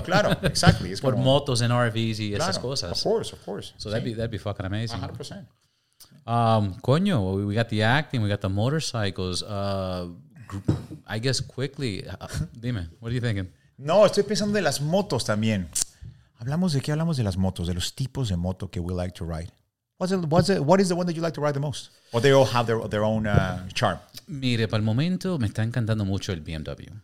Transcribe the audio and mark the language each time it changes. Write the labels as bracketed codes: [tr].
[es] Claro, [en] exactly. It's with motos and RVs [es] y esas cosas. [en] Of course. So that'd be fucking amazing. 100%. Coño, we got the acting, we got the motorcycles. I guess quickly, dime, what are you thinking? [es] No, estoy pensando de las motos también. ¿Hablamos de qué? Hablamos de las motos, de los tipos de moto que [en] we like to ride. What is the one that you like to ride the most? Or they all have their own charm? [es] Mire, para el momento me está encantando mucho el BMW.